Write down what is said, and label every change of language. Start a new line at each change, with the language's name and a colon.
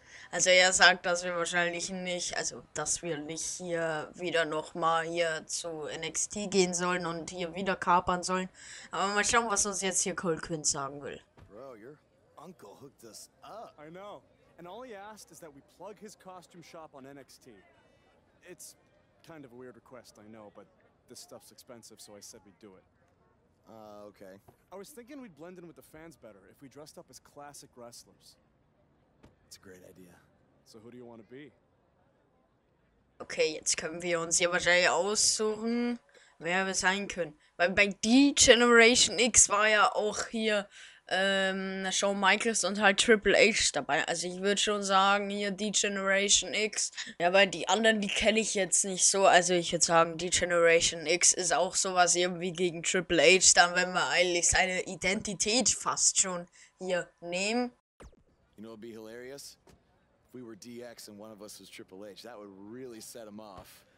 German: Also er sagt, dass wir wahrscheinlich nicht, also dass wir nicht hier wieder nochmal hier zu NXT gehen sollen und hier wieder kapern sollen. Aber mal schauen, was uns jetzt hier Cole Quinn sagen will.
English: Bro, your uncle hooked us up. I know. And all he asked is that we plug his costume shop on NXT. It's kind of a weird request, I know, but this stuff's expensive, so I said we'd do it. Okay. I was thinking we'd blend in with the fans better if we dressed up as classic wrestlers. It's a great idea. So who do you want to be?
German: Okay, jetzt können wir uns hier wahrscheinlich aussuchen, wer wir sein können. Weil bei D-Generation X war ja auch hier Shawn Michaels und halt Triple H dabei. Also ich würde schon sagen, hier D-Generation X. Ja, weil die anderen, die kenne ich jetzt nicht so. Also ich würde sagen, D-Generation X ist auch sowas irgendwie gegen Triple H. Dann wenn wir eigentlich seine Identität fast schon hier nehmen.
English: You know, it'd be hilarious? If we were DX and one of us was Triple H, that would really set him off.